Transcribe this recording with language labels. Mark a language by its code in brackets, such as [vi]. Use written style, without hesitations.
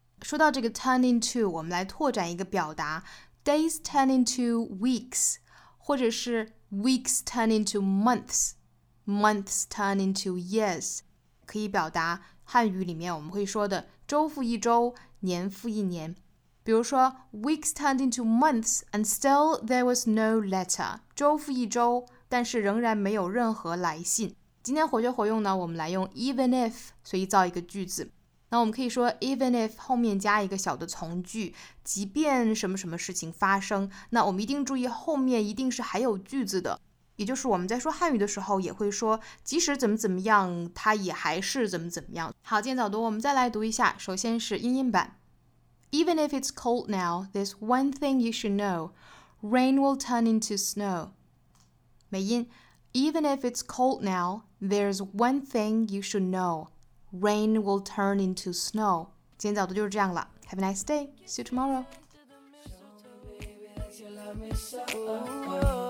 [zh] 说到这个 turn into， 我们来拓展一个表达， days turn into weeks，或者是 weeks turn into months， months turn into years，可以表达汉语里面我们会说的周复一周，年复一年。比如说 weeks turned into months and still there was no letter，周复一周，但是仍然没有任何来信。今天活学活用呢，我们来用 even if 随意造一个句子。那我们可以说 even if 后面加一个小的从句，即便什么什么事情发生，那我们一定注意后面一定是还有句子的，也就是我们在说汉语的时候也会说即使怎么怎么样它也还是怎么怎么样。好，今天早读我们再来读一下，首先是英音版。 [en] Even if it's cold now, there's one thing you should know. Rain will turn into snow. 美音 Even if it's cold now, there's one thing you should know. Rain will turn into snow. [zh] 今天早读就是这样了。 [en] Have a nice day. See you tomorrow.